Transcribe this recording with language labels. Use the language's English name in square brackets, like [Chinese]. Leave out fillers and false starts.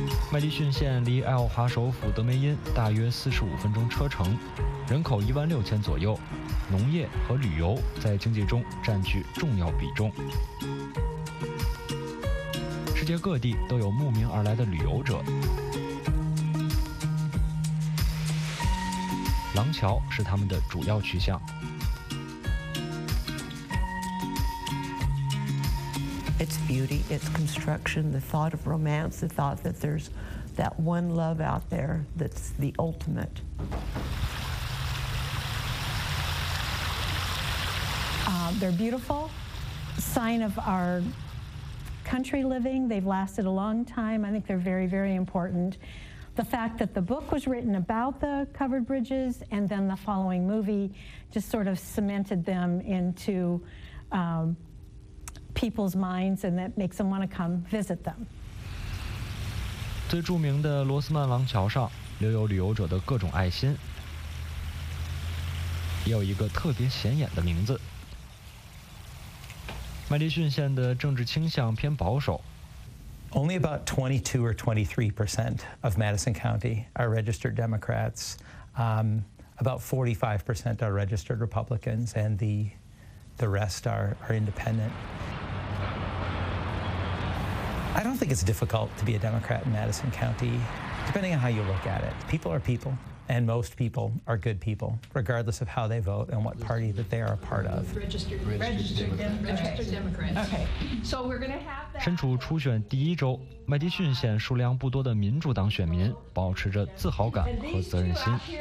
[Chinese] 麦迪逊县离爱奥华首府德梅因大约45分钟车程，人口16000左右，农业和旅游在经济中占据重要比重。世界各地都有慕名而来的旅游者。廊桥是他们的主要去向。 [English] It's beauty, it's construction, the thought of romance, the thought that there's that one love out there that's the ultimate. They're beautiful, sign of our country living. They've lasted a long time. I think they're very, very important. The fact that the book was written about the covered bridges and then the following movie just sort of cemented them into people's minds, and that makes them want to come visit them. [Chinese] 最著名的罗斯曼廊桥上留有旅游者的各种爱心，也有一个特别显眼的名字。麦迪逊县的政治倾向偏保守。 [English] Only about 22 or 23% of Madison County are registered Democrats. About 45% are registered Republicans, and the rest are independent. I don't think it's difficult to be a Democrat in Madison County, depending on how you look at it. People are people, and most people are good people, regardless of how they vote and what party that they are a part of. Registered Democrats. Okay. So we're going to have. [Chinese] 身处初选第一周，麦迪逊县数量不多的民主党选民保持着自豪感和责任心。